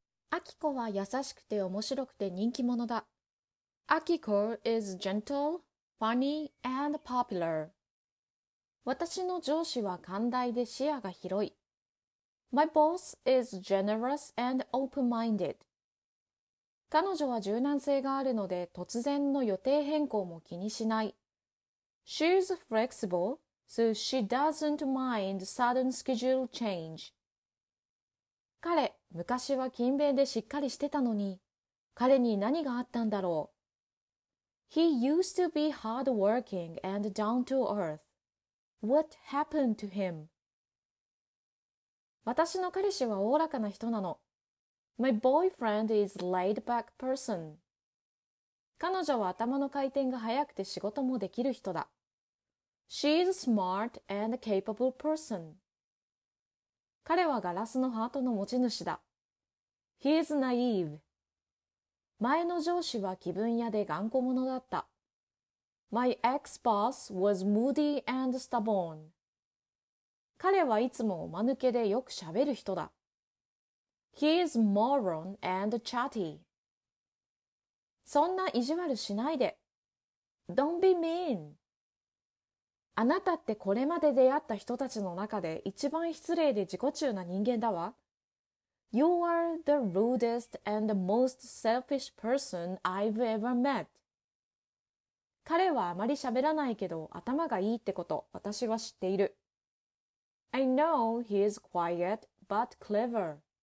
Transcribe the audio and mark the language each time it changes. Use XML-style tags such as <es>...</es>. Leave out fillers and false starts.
<ja>秋子は優しくて面白くて人気者だ。</ja> <en>Akiko is gentle, funny, and popular.</en> <ja>私の上司は寛大で視野が広い。</ja> <en>My boss is generous and open-minded.</en> <ja>彼女は柔軟性があるので突然の予定変更も気にしない。</ja> <en>She's flexible, so she doesn't mind sudden schedule change.</en> <ja>彼、昔は勤勉でしっかりしてたのに、彼に何があったんだろう。</ja> <en>He used to be hardworking and down to earth. What happened to him?</en> <ja>私の彼氏はおおらかな人なの。</ja> <en>My boyfriend is laid-back person.</en> <ja>彼女は頭の回転が速くて仕事もできる人だ。</ja> <en>She's smart and capable person.</en> <ja>彼はガラスのハートの持ち主だ。</ja> <en>He is naive.</en> <ja>前の上司は気分屋で頑固者だった。</ja> <en>My ex-boss was moody and stubborn.</en> <ja>彼はいつもおまぬけでよくしゃべる人だ。</ja> <en>He is moron and chatty.</en> <ja>そんな意地悪しないで。</ja> <en>Don't be mean.</en> <ja>あなたってこれまで出会った人たちの中で一番失礼で自己中な人間だわ。</ja> <en>You are the rudest and the most selfish person I've ever met.</en> <ja>彼はあまり喋らないけど頭がいいってこと、私は知っている。</ja> <en>I know he is quiet but clever.</en>